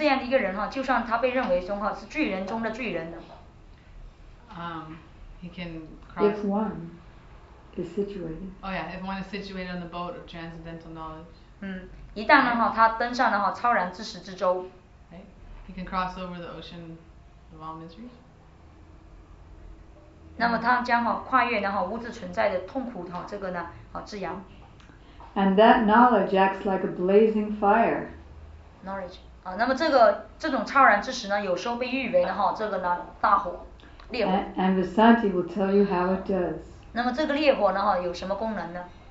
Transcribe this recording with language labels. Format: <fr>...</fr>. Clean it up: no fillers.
<zh>那么这样的一个人就算他被认为是巨人中的巨人的。</zh> <en>He can cross. If one is situated. Oh yeah, if one is situated on the boat of transcendental knowledge.</en> <zh>一旦他登上超然知识之舟。</zh> <en>He can cross over the ocean of all miseries.</en> <zh>那么他将跨越物质存在的痛苦之洋。</zh> <en>And that knowledge acts like a blazing fire. Knowledge.</en> <zh>那么这种超然知识有时候被誉为大火。</zh> <en>And Vasanti will tell you how it does.</en> <zh>那么这个烈火有什么功能呢?</zh>